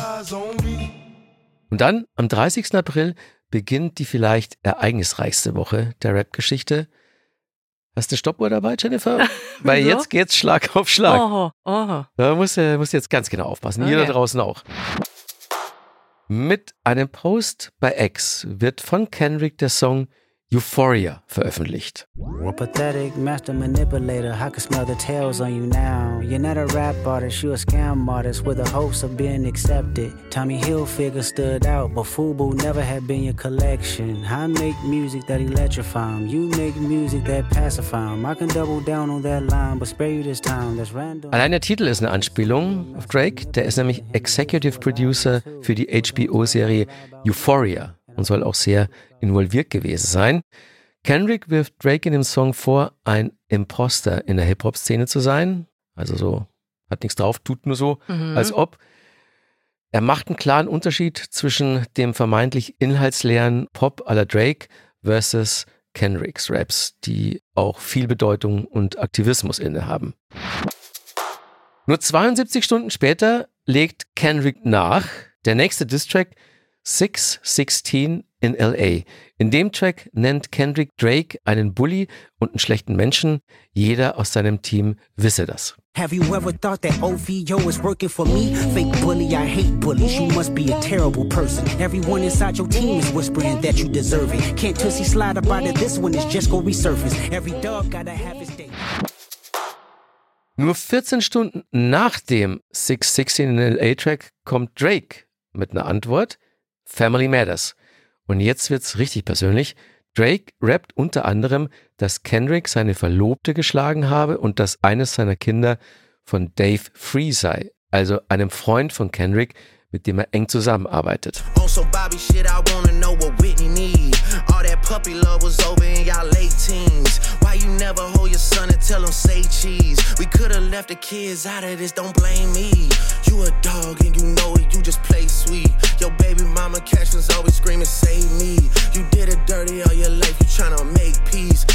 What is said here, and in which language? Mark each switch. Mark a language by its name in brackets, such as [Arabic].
[German] Und dann, am 30. April, beginnt die vielleicht ereignisreichste Woche der Rap-Geschichte. Hast du Stoppuhr dabei, Jennifer? Weil jetzt geht's Schlag auf Schlag. Oh, oh. Da musst du jetzt ganz genau aufpassen. Okay. Ihr da draußen auch. Mit einem Post bei X wird von Kendrick der Song Euphoria veröffentlicht. [English] We're pathetic, master manipulator. I can smell the tails on you now. You're not a rap artist, you're a scam artist with the hopes of being accepted. Tommy Hilfiger stood out, but FUBU never had been your collection. I make music that electrify him. You make music that pacify him. I can double down on that line, but spare you this time. That's random. [German] Allein der Titel ist eine Anspielung auf Drake. Der ist nämlich Executive Producer für die HBO-Serie Euphoria. Und soll auch sehr involviert gewesen sein. Kendrick wirft Drake in dem Song vor, ein Imposter in der Hip-Hop-Szene zu sein. Also so, hat nichts drauf, tut nur so, als ob. Er macht einen klaren Unterschied zwischen dem vermeintlich inhaltsleeren Pop à la Drake versus Kendricks Raps, die auch viel Bedeutung und Aktivismus innehaben. Nur 72 Stunden später legt Kendrick nach. Der nächste Diss-Track 616 in L.A. In dem Track nennt Kendrick Drake einen Bully und einen schlechten Menschen. Jeder aus seinem Team wisse das. [English] Have you ever thought that OVO is working for me? Fake bully, I hate bullies. You must be a terrible person. Everyone inside your team is whispering that you deserve it. Can't tussie slide up out of this one, it's just gonna resurface. Every dog gotta have his day. [German] Nur 14 Stunden nach dem 616 in L.A. Track kommt Drake mit einer Antwort. Family Matters. Und jetzt wird's richtig persönlich. Drake rappt unter anderem, dass Kendrick seine Verlobte geschlagen habe und dass eines seiner Kinder von Dave Free sei, also einem Freund von Kendrick, mit dem er eng zusammenarbeitet. Also Bobby, shit, I wanna know what Whitney need. All that [English] puppy love was over in y'all late teens. Why you never hold your son and tell him say cheese? We could have left the kids out of this, don't blame me. You a dog and you know it, you just play sweet. Your baby mama Cashin's always screaming, save me. You did it dirty all your life, you tryna make peace.